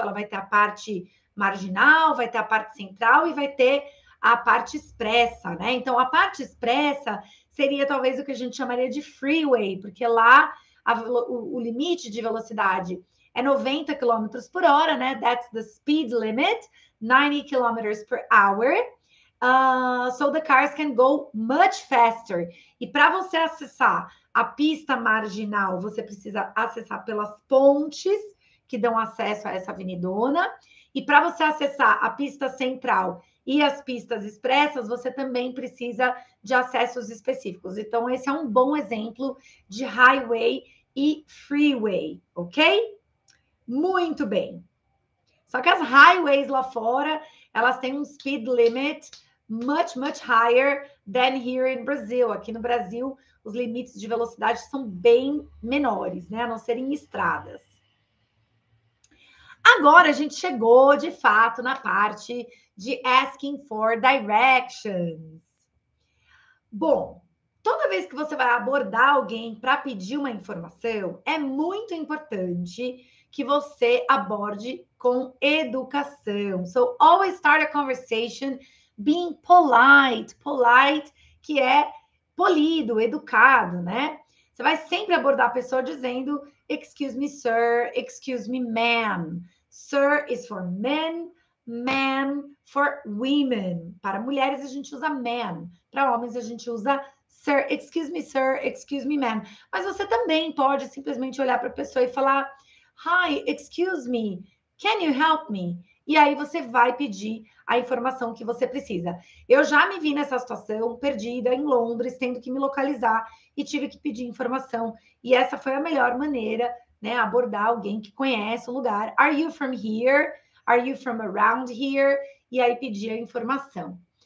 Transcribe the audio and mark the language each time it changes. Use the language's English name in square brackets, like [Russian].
[Portuguese] Ela vai ter a parte marginal, vai ter a parte central e vai ter a parte expressa, né? Então, a parte expressa seria talvez o que a gente chamaria de freeway, porque lá o limite de velocidade é 90 km por hora, né? [English] That's the speed limit, 90 km per hour. So the cars can go much faster. [Portuguese] E para você acessar a pista marginal, você precisa acessar pelas pontes que dão acesso a essa avenidona. E para você acessar a pista central e as pistas expressas, você também precisa de acessos específicos. Então, esse é um bom exemplo de highway e freeway, ok? Muito bem. Só que as highways lá fora, elas têm um [English] speed limit much, much higher than here in Brazil. [Portuguese] Aqui no Brasil, os limites de velocidade são bem menores, né? A não serem estradas. Agora a gente chegou de fato na parte de [English] asking for directions. [Portuguese] Bom, toda vez que você vai abordar alguém para pedir uma informação, é muito importante que você aborde com educação. [English] So, always start a conversation being polite. [Portuguese] Polite, que é polido, educado, né? Você vai sempre abordar a pessoa dizendo, [English] excuse me, sir, excuse me, ma'am. Sir is for men, ma'am for women. [Portuguese] Para mulheres a gente usa ma'am, para homens a gente usa sir, [English] excuse me, ma'am. [Portuguese] Mas você também pode simplesmente olhar para a pessoa e falar, [English] hi, excuse me, can you help me? [Portuguese] E aí você vai pedir a informação que você precisa. Eu já me vi nessa situação perdida em Londres, tendo que me localizar e tive que pedir informação. E essa foi a melhor maneira, né, abordar alguém que conhece o lugar. [English] Are you from here? Are you from around here? [Portuguese] E aí pedir a informação.